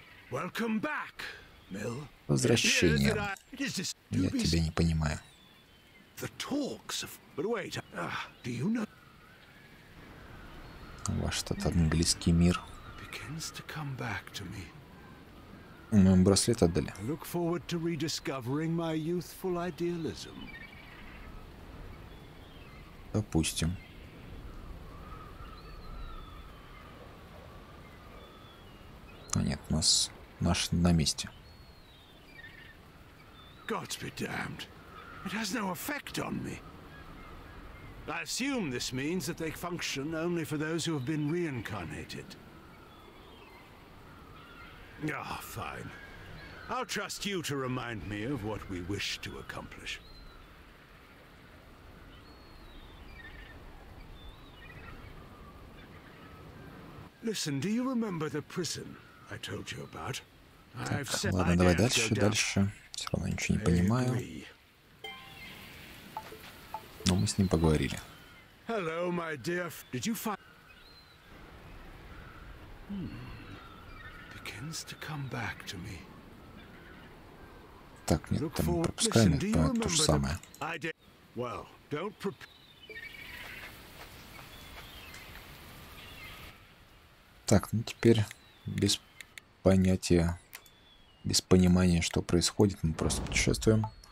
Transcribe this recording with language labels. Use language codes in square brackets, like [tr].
[en] Welcome back, Mill. [ru] Возвращение. Я тебя не понимаю. [en] The talks of... But wait, do you know... [ru] Ваш этот английский мир. [en] Begins to come back to me. [ru] Мы ему браслет отдали. [en] I look forward to rediscovering my youthful idealism. [ru] Допустим. А нет, нас... Наш на месте. [en] Gods be damned. It has no effect on me. I assume this means that they function only for those who have been reincarnated. Ah, fine. I'll trust you to remind me of what we wish to accomplish. Listen, do you remember the prison I told you about? I've said I'd go down. [ru] Ладно, давай дальше, дальше. Все равно ничего не понимаю. Но мы с ним поговорили. [en] Hello, my dear. Did you find? Begins to come back to me. [ru] Так, нет, там пропускаем, это понятно, то же самое. [en] Well, don't [ru] так, ну теперь без понятия, без понимания, что происходит, мы просто путешествуем.